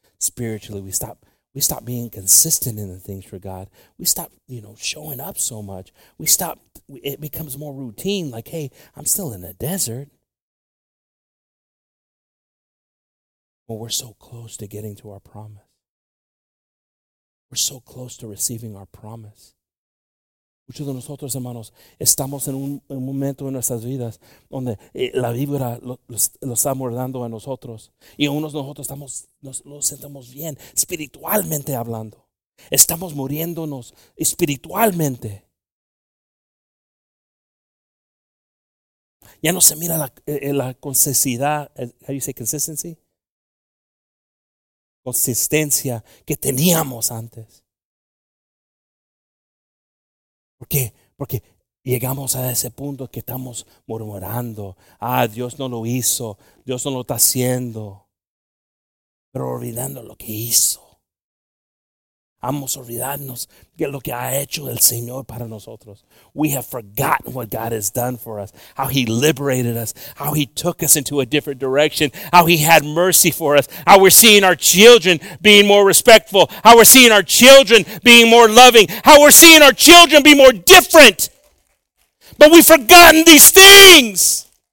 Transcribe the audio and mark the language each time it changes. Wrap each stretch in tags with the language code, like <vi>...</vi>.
<en>Spiritually, we stop being consistent in the things for God. We stop, you know, showing up so much. We stop, it becomes more routine. Like, hey, I'm still in the desert. Well, we're so close to getting to our promise. We're so close to receiving our promise.</en> <es>Muchos de nosotros, hermanos, estamos en un momento en nuestras vidas donde la víbora lo está mordiendo a nosotros. Y unos de nosotros nos sentamos bien, espiritualmente hablando. Estamos muriéndonos espiritualmente. Ya no se mira la consistencia.</es> <en>How do you say consistency?</en> <es>Consistencia que teníamos antes. ¿Por qué? Porque llegamos a ese punto que estamos murmurando. Ah, Dios no lo hizo. Dios no lo está haciendo. Pero olvidando lo que hizo. Vamos a olvidarnos de lo que ha hecho el Señor para nosotros.</es> <en>We have forgotten what God has done for us. How he liberated us. How he took us into a different direction. How he had mercy for us. How we're seeing our children being more respectful. How we're seeing our children being more loving. How we're seeing our children be more different. But we've forgotten these things.</en>